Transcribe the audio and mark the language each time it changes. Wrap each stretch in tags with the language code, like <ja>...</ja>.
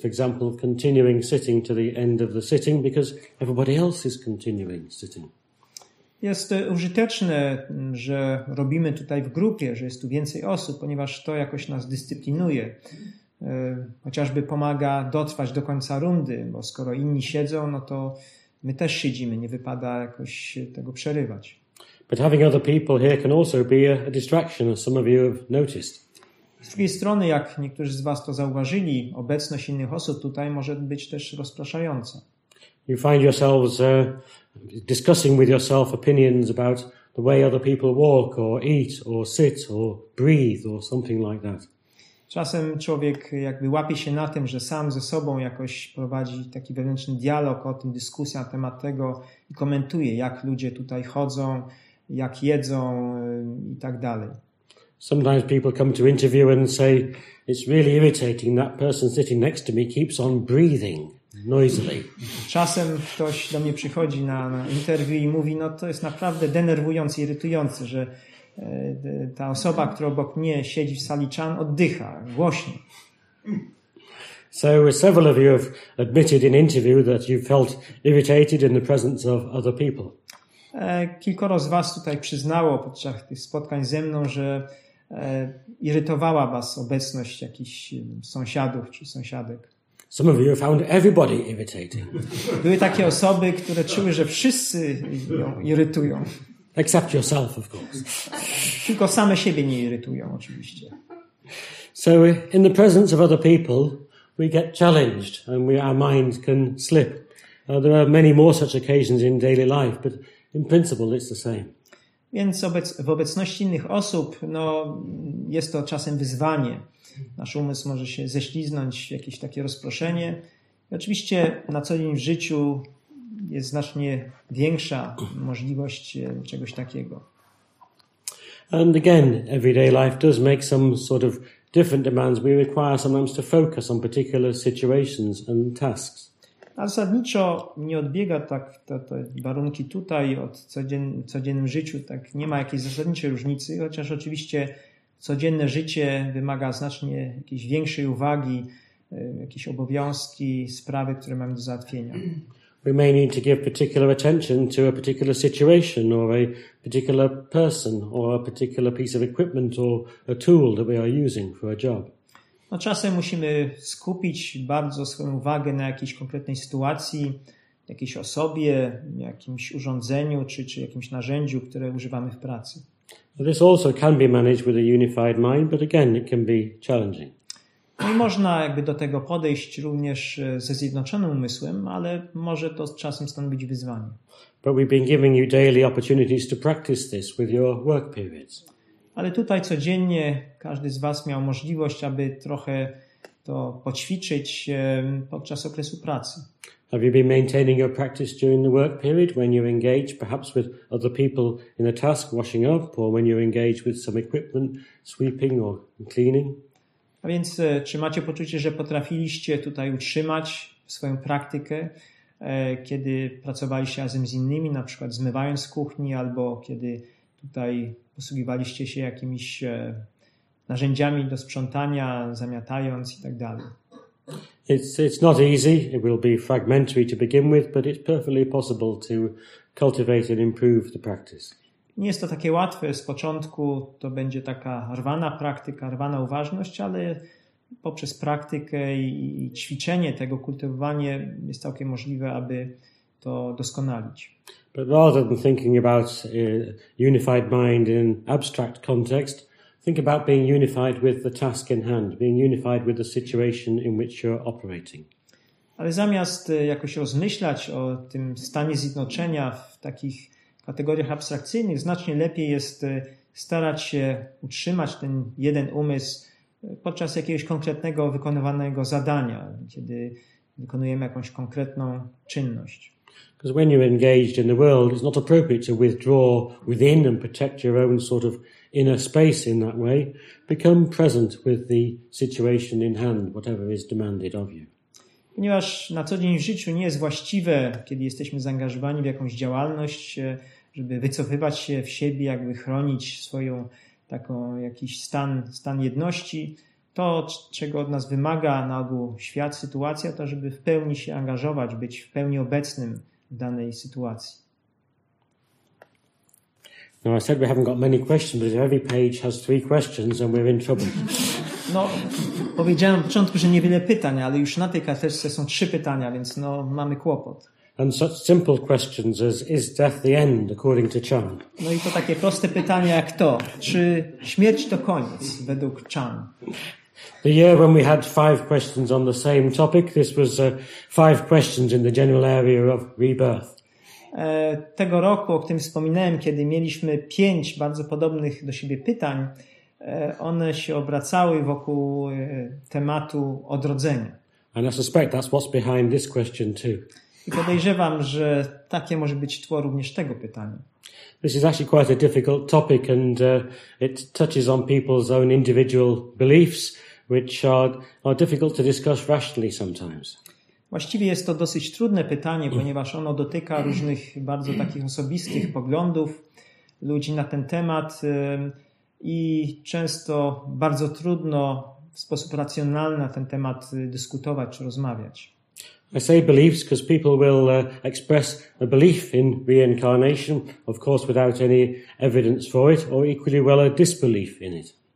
<en>For example, continuing sitting to the end of the sitting because everybody else is continuing sitting.</en> <pl>Jest użyteczne, że robimy tutaj w grupie, że jest tu więcej osób, ponieważ to jakoś nas dyscyplinuje. Chociażby pomaga dotrwać do końca rundy, bo skoro inni siedzą, no to my też siedzimy, nie wypada jakoś tego przerywać.</pl> <en>But having other people here can also be a distraction, as some of you have noticed.</en> <pl>Z drugiej strony, jak niektórzy z was to zauważyli, obecność innych osób tutaj może być też rozpraszająca.</pl> <en>You find yourselves discussing with yourself opinions about the way other people walk or eat or sit or breathe or something like that.</en> <pl>Czasem człowiek jakby łapie się na tym, że sam ze sobą jakoś prowadzi taki wewnętrzny dialog o tym, dyskusję na temat tego i komentuje, jak ludzie tutaj chodzą, jak jedzą i tak dalej.</pl> <en>Sometimes people come to interview and say, it's really irritating, that person sitting next to me keeps on breathing noisily.</en> <pl>Czasem ktoś do mnie przychodzi na interwiu i mówi, no to jest naprawdę denerwujące, irytujące, że ta osoba, która obok mnie siedzi w sali Chan, oddycha głośno.</pl> <en>So several of you have admitted in interview that you felt irritated in the presence of other people.</en> <pl>Kilkoro z was tutaj przyznało podczas tych spotkań ze mną, że irytowała was obecność jakichś sąsiadów czy sąsiadek.</pl> <en>Some of you found everybody irritating.</en> <pl>Były takie osoby, które czuły, że wszyscy ją irytują.</pl> <en>Except yourself, of course.</en> <pl>Tylko same siebie nie irytują, oczywiście.</pl> <en>So in the presence of other people, we get challenged and our minds can slip. There are many more such occasions in daily life, but in principle it's the same.</en> <pl>Więc w obecności innych osób, no, jest to czasem wyzwanie. Nasz umysł może się ześliznąć w jakieś takie rozproszenie. I oczywiście na co dzień w życiu jest znacznie większa możliwość czegoś takiego.</pl> <en>And again, everyday life does make some sort of different demands. We require sometimes to focus on particular situations and tasks.</en> <pl>A zasadniczo nie odbiega tak te warunki tutaj od codziennym życiu, tak nie ma jakiejś zasadniczej różnicy, chociaż oczywiście codzienne życie wymaga znacznie jakiejś większej uwagi, jakieś obowiązki, sprawy, które mamy do załatwienia.</pl> <en>We may need to give particular attention to a particular situation or a particular person or a particular piece of equipment or a tool that we are using for a job.</en> <pl>No, czasem musimy skupić bardzo swoją uwagę na jakiejś konkretnej sytuacji, jakiejś osobie, jakimś urządzeniu czy jakimś narzędziu, które używamy w pracy.</pl> <en>This also can be managed with a unified mind, but again it can be challenging.</en> <pl>I można jakby do tego podejść również ze zjednoczonym umysłem, ale może to czasem stanowić wyzwanie.</pl> <en>But we've been giving you daily opportunities to practice this with your work periods.</en> <pl>Ale tutaj codziennie każdy z was miał możliwość, aby trochę to poćwiczyć podczas okresu pracy.</pl> <en>Have you been maintaining your practice during the work period when you engage perhaps with other people in a task, washing up, or when you engage with some equipment, sweeping or cleaning?</en> <pl>A więc czy macie poczucie, że potrafiliście tutaj utrzymać swoją praktykę, kiedy pracowaliście razem z innymi, na przykład zmywając kuchni, albo kiedy tutaj posługiwaliście się jakimiś narzędziami do sprzątania, zamiatając i tak dalej.</pl> <en>It's not easy. It will be fragmentary to begin with, but it's perfectly possible to cultivate and improve the practice.</en> <pl>Nie jest to takie łatwe. Z początku to będzie taka rwana praktyka, rwana uważność, ale poprzez praktykę i ćwiczenie tego, kultywowanie jest całkiem możliwe, aby to doskonalić.</pl> <en>But rather than thinking about unified mind in abstract context, think about being unified with the task in hand, being unified with the situation in which you're operating.</en> <pl>Ale zamiast jakoś rozmyślać o tym stanie zjednoczenia w takich kategoriach abstrakcyjnych, znacznie lepiej jest starać się utrzymać ten jeden umysł podczas jakiegoś konkretnego wykonywanego zadania, kiedy wykonujemy jakąś konkretną czynność.</pl> <en>Because when you're engaged in the world, it's not appropriate to withdraw within and protect your own sort of inner space in that way. Become present with the situation in hand, whatever is demanded of you.</en> <pl>Ponieważ na co dzień w życiu nie jest właściwe, kiedy jesteśmy zaangażowani w jakąś działalność, żeby wycofywać się w siebie, jakby chronić swoją taką jakiś stan jedności, to czego od nas wymaga na ogół świat, sytuacja, to żeby w pełni się angażować, być w pełni obecnym w danej sytuacji.</pl> <en>No, I said we haven't got many questions, but every page has three questions and we're in trouble.</en> <pl>No, powiedziałem na początku, że niewiele pytań, ale już na tej karteczce są trzy pytania, więc no, mamy kłopot.</pl> <en>And such simple questions as, is death the end, according to Chan?</en> <pl>No i to takie proste pytania jak to, czy śmierć to koniec, według Chan?</pl> <en>The year when we had five questions on the same topic, this was five questions in the general area of rebirth.</en> <pl>Tego roku, o którym wspominałem, kiedy mieliśmy pięć bardzo podobnych do siebie pytań, one się obracały wokół tematu odrodzenia.</pl> <en>And I suspect that's what's behind this question too.</en> <pl>I podejrzewam, że takie może być tło również tego pytania.</pl> <en>This is actually quite a difficult topic, and it touches on people's own individual beliefs, which are difficult to discuss rationally sometimes.</en> <pl>Właściwie jest to dosyć trudne pytanie, ponieważ ono dotyka różnych bardzo takich osobistych poglądów ludzi na ten temat i często bardzo trudno w sposób racjonalny na ten temat dyskutować czy rozmawiać.</pl> <en>I say beliefs because people will express a belief in reincarnation, of course without any evidence for it, or equally well a disbelief in it.</en>